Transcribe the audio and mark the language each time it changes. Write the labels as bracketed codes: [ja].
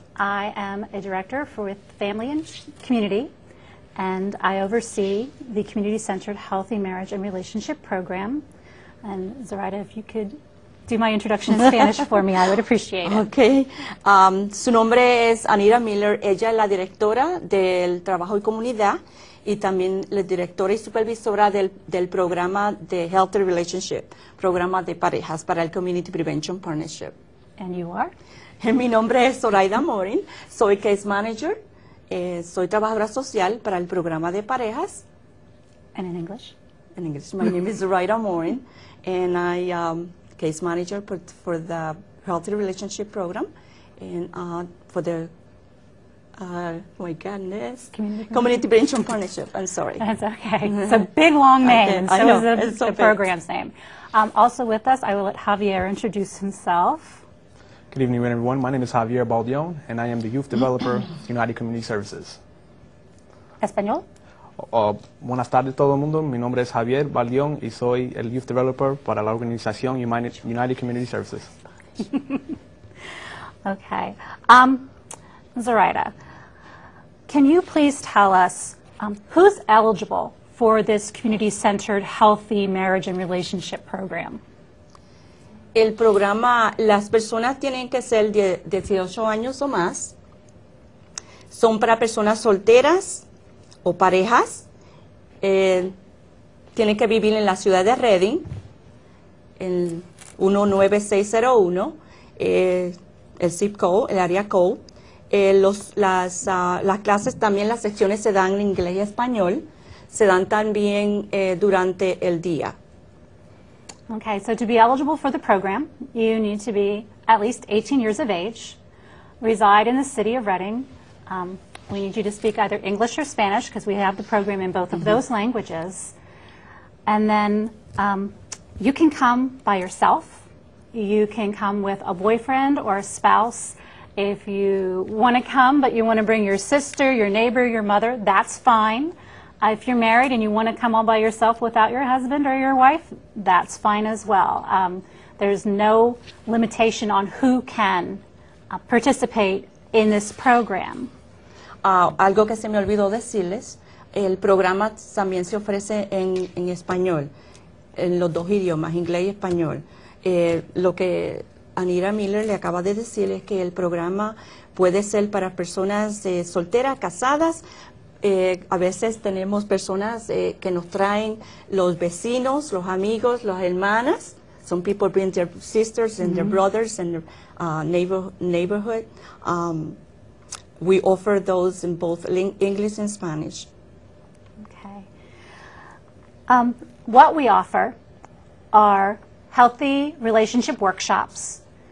[en] I am a director for with Family and Community. And I oversee the Community-Centered Healthy Marriage and Relationship Program. And Zoraida, if you could do my introduction in Spanish for me, I would appreciate it. [es] Okay. Su nombre es Anita Miller. Ella es la directora del Trabajo y Comunidad y también la directora y supervisora del Programa de Healthy Relationship, Programa de Parejas para el Community Prevention Partnership. [en] And you are? [es] And mi nombre es Zoraida Mohring. Soy case manager. Soy trabajadora social para el programa de parejas. [en] And in English? In English. My name is Zoraida Mohring, and I am case manager for the Healthy Relationship Program and for the, my goodness, Community Prevention Partnership. I'm sorry. That's okay. It's a big, long name. Okay. So I know. It's the program's name. Also with us, I will let Javier introduce himself. Good evening, everyone. My name is Javier Baldeon, and I am the youth developer of United Community Services. [es] Español? Buenas tardes, todo el mundo. Mi nombre es Javier Baldeon, y soy el youth developer para la organización United Community Services. [en] Okay. Zoraida, can you please tell us who's eligible for this community-centered healthy marriage and relationship program? [es] El programa, las personas tienen que ser de 18 años o más, son para personas solteras o parejas, tienen que vivir en la ciudad de Reading, el 19601, el zip code, el area code, las clases también, las secciones se dan en inglés y español, se dan también durante el día. [en] Okay, so to be eligible for the program, you need to be at least 18 years of age, reside in the city of Reading. We need you to speak either English or Spanish because we have the program in both of those languages. And then you can come by yourself. You can come with a boyfriend or a spouse. If you want to come but you want to bring your sister, your neighbor, your mother, that's fine. If you're married and you want to come all by yourself without your husband or your wife, that's fine as well. There's no limitation on who can participate in this program. [es] Algo que se me olvidó decirles, el programa también se ofrece en español, en los dos idiomas, inglés y español. Lo que Anita Miller le acaba de decir es que el programa puede ser para personas solteras, casadas. A veces tenemos personas que nos traen los vecinos, los amigos, las hermanas. [en] Some people bring their sisters and their brothers and their neighborhood. We offer those in both English and Spanish. Okay. What we offer are healthy relationship workshops.